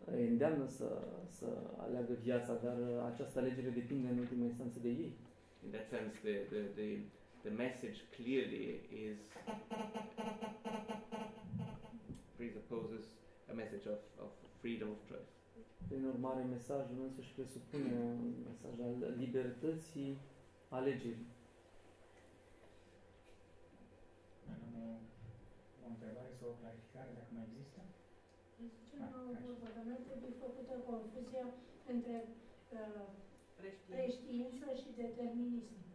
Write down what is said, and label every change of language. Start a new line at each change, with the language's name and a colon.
Romanian: Îndeamnă să aleagă viața, dar această alegere depinde în ultima instanță de ei.
English: In that sense, the message clearly is presupposes a message of freedom of choice.
Romanian: Prin urmare, mesajul însuși presupune un mesaj al libertății alegerii. o întrebare sau o clarificare, dacă mai există? Nu trebuie făcută confuzia între preștiință și determinism.